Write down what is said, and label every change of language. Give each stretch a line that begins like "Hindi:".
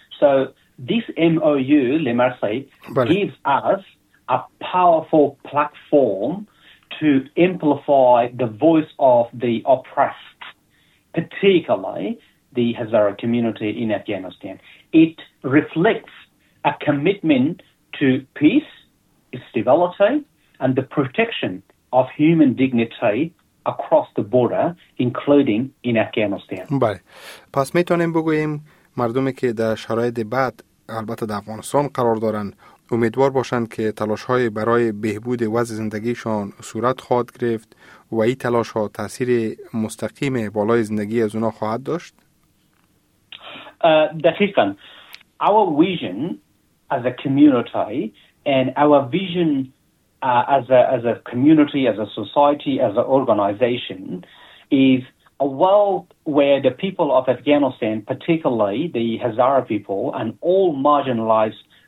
English: So this MOU, Lemar said, gives us a powerful platform to amplify the voice of the oppressed, particularly the Hazara community in Afghanistan. It reflects a commitment to peace, stability, and the protection of human dignity across the border, including in Afghanistan.
Persian: بله. پس میتونیم بگوییم مردمی که در شرایط بعد البته در افغانستان قرار دارن امیدوار باشند که تلاش های برای بهبود وضع زندگیشان صورت خواهد گرفت و این تلاش ها تأثیر مستقیم بالای زندگی از اونا خواهد داشت؟ دقیقاً.
English: Our vision as a community and our vision as a community, as a society, as an organization is a world where the people of Afghanistan, particularly the Hazara people and all marginalized